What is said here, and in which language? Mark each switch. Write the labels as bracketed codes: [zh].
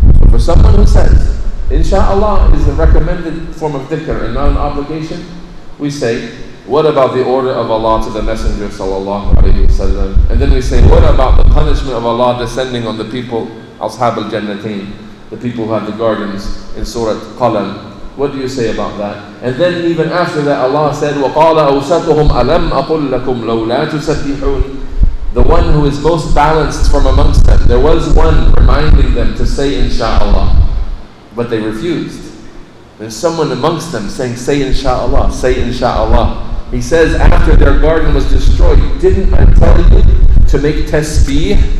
[en] For someone who says, Insha'Allah is the recommended form of dhikr and not an obligation, we say, what about the order of Allah to the Messenger sallallahu alayhi wa sallam? And then we say, what about the punishment of Allah descending on the people, Ashab al-Jannatin, the people who have the gardens in Surah Qalam? What do you say about that? And then even after that, Allah said, [ar] وَقَالَ أَوْسَطُهُمْ أَلَمْ أَقُلْ لَكُمْ لَوْ لَا تُسَبِّحُونَ. [en] The one who is most balanced from amongst them, there was one reminding them to say insha'Allah, but they refused. There's someone amongst them saying, say insha'Allah, say insha'Allah. He says, after their garden was destroyed, didn't I tell you to make tasbih?